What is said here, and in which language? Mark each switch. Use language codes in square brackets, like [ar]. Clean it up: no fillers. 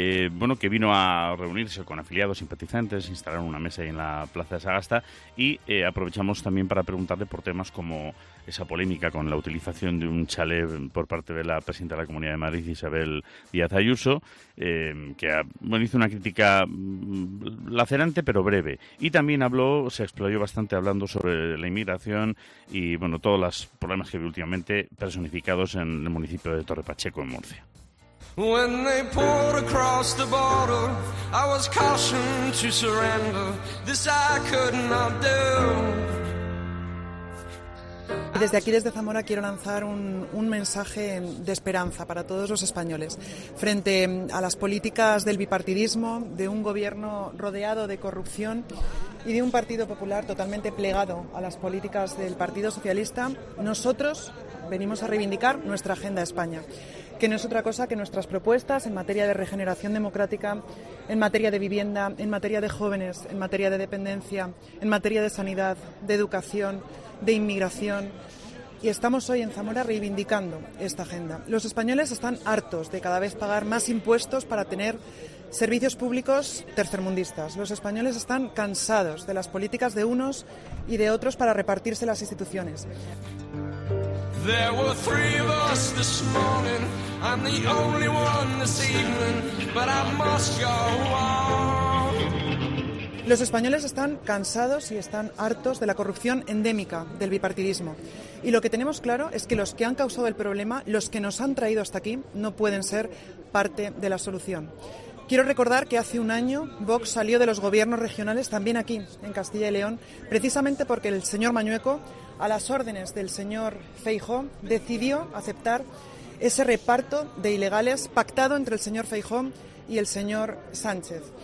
[es] bueno, que vino a reunirse con afiliados, simpatizantes, instalaron una mesa ahí en la Plaza de Sagasta y aprovechamos también para preguntarle por temas como esa polémica con la utilización de un chalet por parte de la presidenta de la Comunidad de Madrid, Isabel Díaz Ayuso, que hizo una crítica lacerante pero breve. Y también habló, se explayó bastante hablando sobre la inmigración y, bueno, todos los problemas que vi últimamente personificados en el municipio de Torre Pacheco, en Murcia. [en] When they poured across the border, I was cautioned to surrender. This I could not do. [es] Desde aquí, desde Zamora, quiero lanzar un mensaje de esperanza para todos los españoles. Frente a las políticas del bipartidismo, de un gobierno rodeado de corrupción y de un Partido Popular totalmente plegado a las políticas del Partido Socialista, nosotros venimos a reivindicar nuestra Agenda España, que no es otra cosa que nuestras propuestas en materia de regeneración democrática, en materia de vivienda, en materia de jóvenes, en materia de dependencia, en materia de sanidad, de educación, de inmigración. Y estamos hoy en Zamora reivindicando esta agenda. Los españoles están hartos de cada vez pagar más impuestos para tener servicios públicos tercermundistas. Los españoles están cansados de las políticas de unos y de otros para repartirse las instituciones. [en] There were three of us this morning. I'm the only one this evening, but I must go on. [es] Los españoles están cansados y están hartos de la corrupción endémica del bipartidismo. Y lo que tenemos claro es que los que han causado el problema, los que nos han traído hasta aquí, no pueden ser parte de la solución. Quiero recordar que hace un año Vox salió de los gobiernos regionales, también aquí en Castilla y León, precisamente porque el señor Mañueco, a las órdenes del señor Feijóo, decidió aceptar ese reparto de ilegales pactado entre el señor Feijóo y el señor Sánchez.